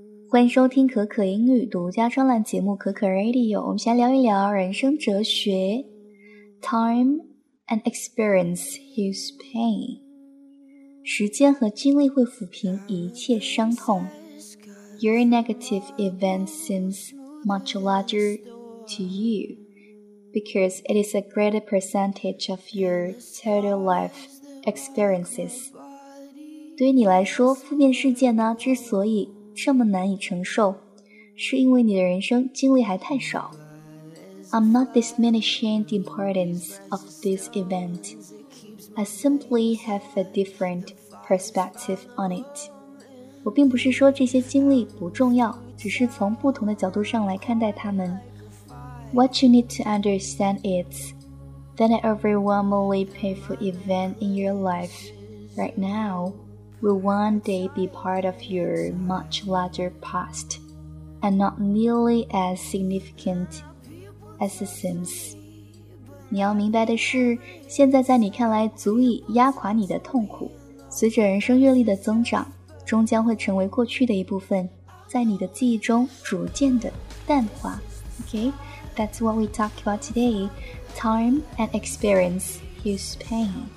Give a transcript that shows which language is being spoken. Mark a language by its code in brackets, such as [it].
[zh] 欢迎收听可可英语独家专栏节目《可可 Radio》，我们先聊一聊人生哲学。 [en] Time and experience heals pain。 [zh] 时间和经历会抚平一切伤痛。 [en] Your negative event seems much larger to you because it is a greater percentage of your total life experiences. [zh] 对于你来说，负面事件呢，之所以这么难以承受，是因为你的人生经历还太少。 [en] I'm not diminishing the importance of this event. I simply have a different perspective on it. [zh] 我并不是说这些经历不重要，只是从不同的角度上来看待它们。 [en] What you need to understand is that an overwhelmingly painful event in your life right now will one day be part of your much larger past and not nearly as significant as it seems. [zh] 你要明白的是，现在在你看来足以压垮你的痛苦，随着人生阅历的增长终将会成为过去的一部分，在你的记忆中逐渐的淡化。 [en] Okay, that's what we talk about today. Time and experience heals pain.